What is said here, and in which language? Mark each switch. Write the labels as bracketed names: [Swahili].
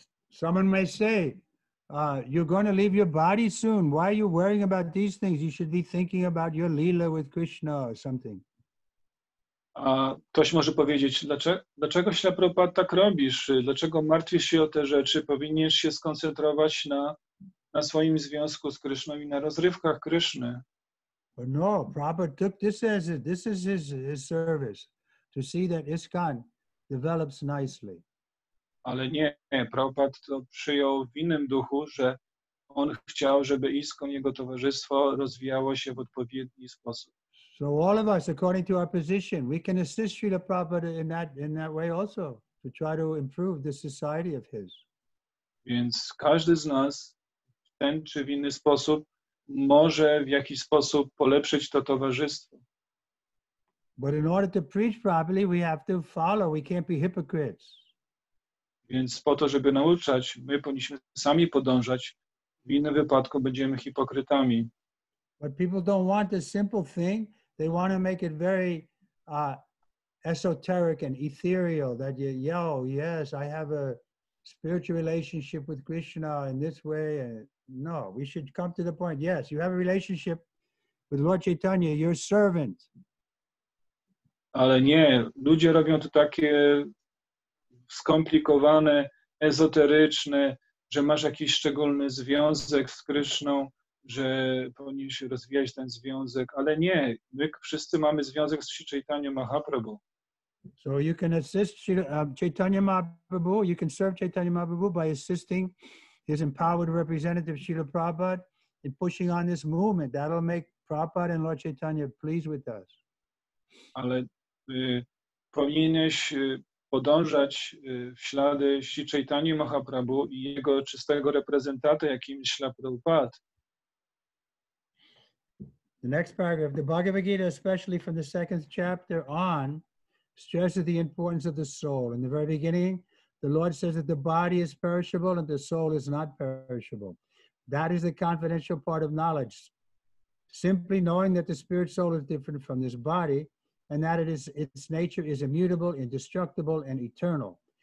[English] Someone may say, you're going to leave your body soon. Why are you worrying about these things? You should be thinking about your lila with Krishna or something. [Polish] A ktoś może powiedzieć, dlaczego Śla Prabhupada tak robisz? Dlaczego martwisz się o te rzeczy? Powinieneś się skoncentrować na swoim związku z Kryszną i na rozrywkach Kryszny. [English] But no, Prabhupada took this is his service to see that ISKCON develops nicely. [Polish] Ale nie, Prabhupada to przyjął w innym duchu, że on chciał, żeby ISKCON, jego towarzystwo, rozwijało się w odpowiedni sposób. [English] So all of us, according to our position, we can assist Srila Prabhupada in that way also, to try to improve the society of his. [Polish] Więc każdy z nas, w ten czy w inny sposób, może w jakiś sposób polepszyć to towarzystwo. [English] But in order to preach properly, we have to follow, we can't be hypocrites. [Polish] Więc po to, żeby nauczać, my powinniśmy sami podążać. W innym wypadku będziemy hipokrytami. [English] But people don't want the simple thing. They want to make it very esoteric and ethereal. That you, yo, yes, I have a spiritual relationship with Krishna in this way. No, we should come to the point. Yes, you have a relationship with Lord Chaitanya, your servant. [Polish] Ale nie, ludzie robią to takie skomplikowane, ezoteryczne, że masz jakiś szczególny związek z Kryszną, że powinieneś rozwijać ten związek, ale nie, my wszyscy mamy związek z Sri Chaitanya Mahaprabhu. [English] So you can assist Chaitanya Mahaprabhu, you can serve Chaitanya Mahaprabhu by assisting his empowered representative Srila Prabhupada in pushing on this movement. That'll make Prabhupada and Lord Chaitanya pleased with us. [Polish] Ale powinieneś podążać w ślady Śri Chaitanya Mahaprabhu i jego czystego reprezentanta, jakim jest Śla Prabhupada. [English] The next paragraph, the Bhagavad Gita, especially from the second chapter on, stresses the importance of the soul. In the very beginning, the Lord says that the body is perishable and the soul is not perishable. That is the confidential part of knowledge. Simply knowing that the spirit soul is different from this body, and that its nature is immutable, indestructible, and eternal.